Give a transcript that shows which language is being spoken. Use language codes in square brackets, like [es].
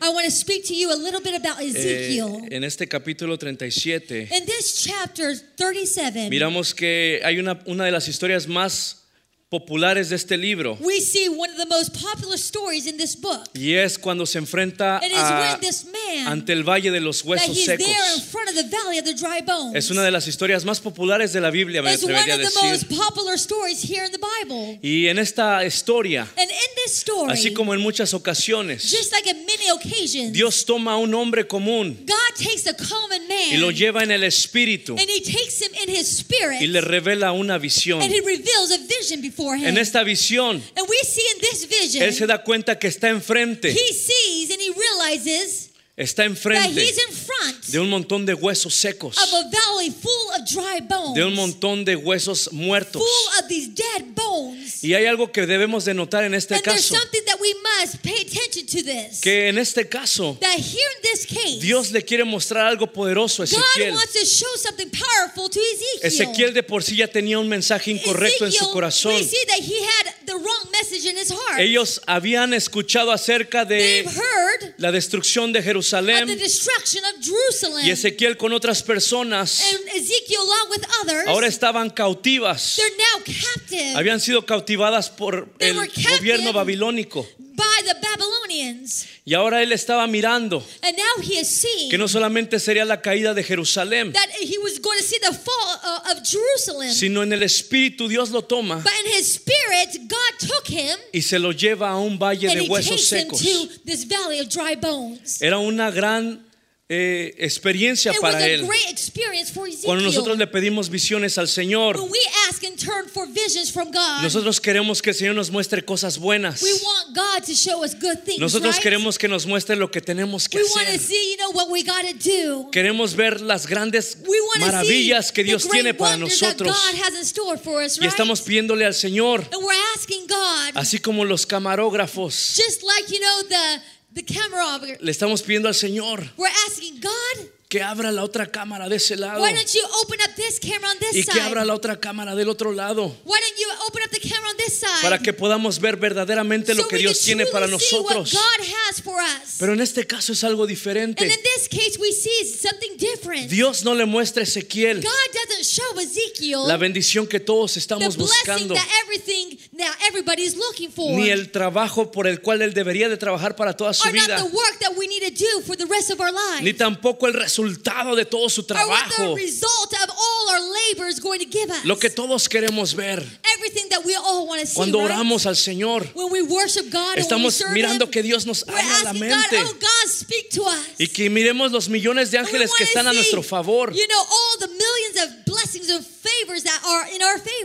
[en] I want to speak to you a little bit about Ezekiel. [es] En este capítulo 37, [en] in this chapter 37, [es] miramos que hay una de las historias más populares de este libro. [en] We see one of the most popular stories in this book. [es] Y es cuando se enfrenta ante el valle de los huesos secos. [en] That he's there in front of the valley of the dry bones. [es] Es una de las historias más populares de la Biblia, me atrevería a decir. [en] It's one of the most popular stories here in the Bible. [es] Y en esta historia, [en] and in this story, [es] así como en muchas ocasiones, [en] just like in many occasions, [es] Dios toma a un hombre común, [en] God takes a common man, [es] y lo lleva en el espíritu, [en] and he takes him in his spirit, [es] y le revela una visión, [en] and he reveals a vision. [es] En esta visión, [en] and we see in this vision, [es] él se da cuenta que está enfrente. [en] He sees and he realizes [es] está enfrente [en] that he's in front [es] de un montón de huesos secos, [en] of a valley full of dry bones, [es] de un montón de huesos muertos, [en] full of these dead bones. [es] Y hay algo que debemos de notar en este [en] and [es] caso, [en] there's something that we must pay attention to this, [es] que en este caso, [en] that here in this case, [es] Dios le quiere mostrar algo poderoso a Ezequiel. [en] God wants to show something powerful to Ezekiel. [es] Ezequiel de por sí ya tenía un mensaje incorrecto [en] Ezekiel, [es] en su corazón. [en] We see that he had the wrong message in his heart. [es] Ellos habían escuchado acerca de la destrucción de Jerusalén. [en] At the destruction of Jerusalem. [es] Y Ezequiel con otras personas, [en] and Ezekiel along with others, [es] ahora estaban cautivas. [en] They're now captive. [es] Habían sido cautivadas por el gobierno babilónico. [en] By the Babylonians. [es] Y ahora él estaba mirando, [en] and now he is seeing, [es] que no solamente sería la caída de Jerusalén, [en] that he was going to see the fall of Jerusalem, [es] sino en el espíritu Dios lo toma, [en] but in his spirit God took him, [es] y se lo lleva a un valle de huesos secos. [en] And he takes him to this valley of dry bones. [es] Era una gran experiencia para él. [en] It was a great experience for Ezekiel. [es] Cuando nosotros le pedimos visiones al Señor, [en] when we ask and turn for visions from God, [es] nosotros queremos que el Señor nos muestre cosas buenas. [en] We want God to show us good things. [es] Nosotros [en] right? [es] queremos que nos muestre lo que tenemos que [en] we [es] hacer. [en] We want to see, you know, what we got to do. [es] Queremos ver las grandes maravillas que Dios tiene para nosotros. [en] That God has in store for us, right? [es] Y estamos pidiéndole al Señor, [en] and we're asking God, [es] así como los camarógrafos, [en] just like, you know, the camera. [es] Le estamos pidiendo al Señor, [en] we're asking God, [es] que abra la otra cámara de ese lado. [en] Why don't you open up this camera on this side? [es] Y que abra la otra cámara del otro lado. [en] Why don't you open up the camera on this side? [es] Para que podamos ver verdaderamente lo que Dios tiene para nosotros. [en] So we can truly see what God has for us. [es] Pero en este caso es algo diferente. [en] And in this case we see something different. [es] Dios no le muestra a Ezequiel, [en] God doesn't show Ezekiel, [es] la bendición que todos estamos [en] the blessing [es] buscando. [en] That everything that everybody is looking for. [es] Ni el trabajo por el cual él debería de trabajar para toda su vida. [en] Or not the work that we need to do for the rest of our lives. [es] Ni tampoco el resultado de todo su trabajo. [en] Or what the result of all our labor is going to give us. [es] Lo que todos queremos ver. [en] Everything that we all want to see. [es] Cuando oramos [en] right? [es] al Señor, [en] when we worship God, [es] estamos [en] when we [es] mirando [en] him, [es] que Dios nos abra la mente. [en] God, oh God, speak to us. [es] Y que miremos los millones de ángeles que están [en] see, [es] a nuestro favor. [en] You know, all the millions of blessings and favors that are in our favor.